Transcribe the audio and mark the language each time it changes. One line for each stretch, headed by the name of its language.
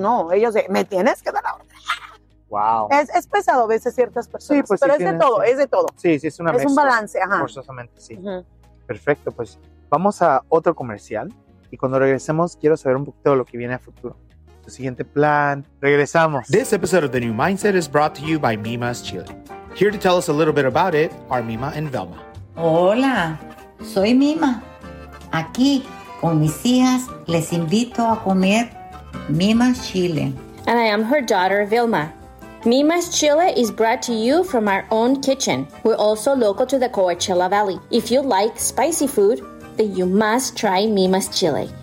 Spanish: no, ellos de, me tienes que dar la orden. Wow. Es pesado a veces ciertas personas, sí, pues, pero sí, es de todo, sí, es de todo. Sí, sí, es una mezcla. Es un balance, ajá. Forzosamente, sí. Uh-huh. Perfecto, pues vamos a otro comercial y cuando regresemos quiero saber un poquito de lo que viene a futuro. Tu siguiente plan. Regresamos.
English: This episode of The New Mindset is brought to you by Mima's Chile. Here to tell us a little bit about it are Mima and Velma.
Spanish: Hola, soy Mima. Aquí, con mis hijas, les invito a comer Mima's Chile.
English: And I am her daughter, Velma. Mima's Chile is brought to you from our own kitchen. We're also local to the Coachella Valley. If you like spicy food, then you must try Mima's Chile.